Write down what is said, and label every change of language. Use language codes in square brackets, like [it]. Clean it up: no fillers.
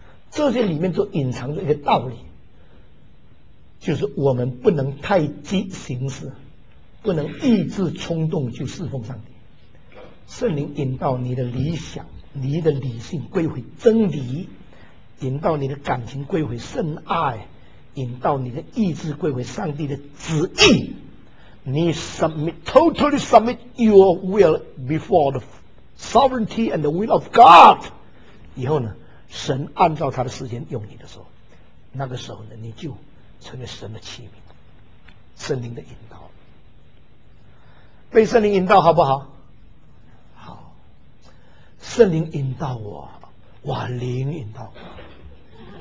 [zh] 这些里面都隐藏着一个道理，就是我们不能太急行事，不能抑制冲动去侍奉上帝。圣灵引导你的理想，你的理性归回真理，引导你的感情归回圣爱，引导你的意志归回上帝的旨意。你 [en] submit, totally submit your will before the sovereignty and the will of God. [zh] 以后呢，神按照他的时间用你的时候，那个时候呢，你就成为神的器皿，圣灵的引导，被圣灵引导，好不好？好，圣灵引导我，哇，灵引导我。